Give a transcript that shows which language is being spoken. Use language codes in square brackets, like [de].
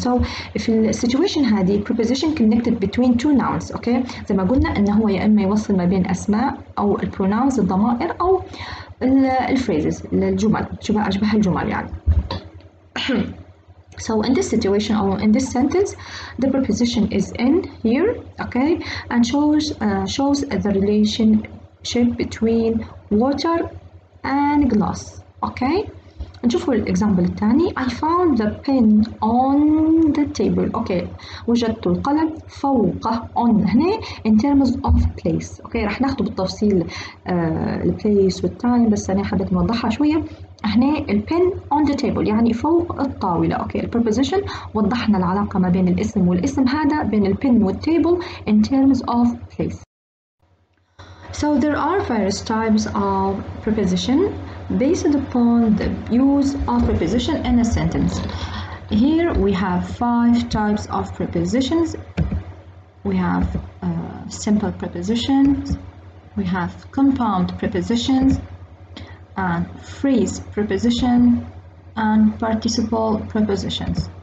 [en] So if the situation had the preposition connected between two nouns, okay? [ar] زي ما قلنا إن هو يا إما يوصل ما بين أسماء أو pronouns الضمائر أو phrases الجمل أشبه الجمل يعني. [en] So in this situation or in this sentence, the preposition is in here, okay? And shows the relationship between water and glass, okay? [ar] نشوفوا الإكزامبل الثاني [en] I found the pen on the table [ar] أوكي وجدت القلم فوق on هنا [en] in terms of place [ar] أوكي راح ناخده بالتفصيل place والtime بس أنا حبيت نوضحها شوية هنا ال pen on the table يعني فوق الطاولة. اوكي ال preposition وضحنا العلاقة ما بين الاسم والاسم هذا بين ال pen وال table [en] in terms of place. So there are various types of preposition based upon the use of preposition in a sentence. Here we have five types of prepositions. We have simple prepositions, we have compound prepositions, and phrase preposition, and participle prepositions.